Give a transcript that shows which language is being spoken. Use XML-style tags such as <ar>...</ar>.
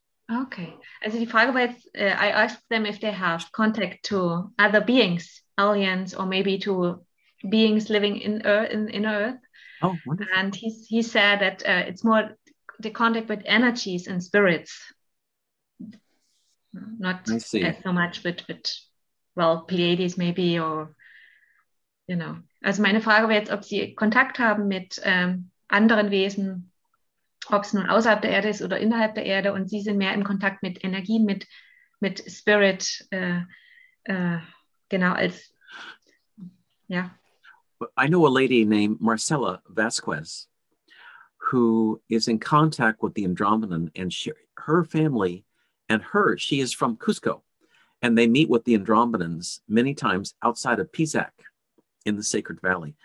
<en>Okay,</en> <de>also die Frage war jetzt,</de> <en>I asked them if they have contact to other beings, aliens, or maybe to beings living in Earth. Oh, wonderful. And he said that it's more the contact with energies and spirits, not so much with Pleiades maybe, or, you know.</en> <de>Also meine Frage war jetzt, ob sie Kontakt haben mit anderen Wesen, ob es nun außerhalb der Erde ist oder innerhalb der Erde und sie sind mehr in Kontakt mit Energie, mit Spirit, genau, als, ja.</de> <en>I know a lady named Marcela Vasquez, who is in contact with the Andromedan, and her family and she is from Cusco, and they meet with the Andromedans many times outside of Pisac in the Sacred Valley.</en>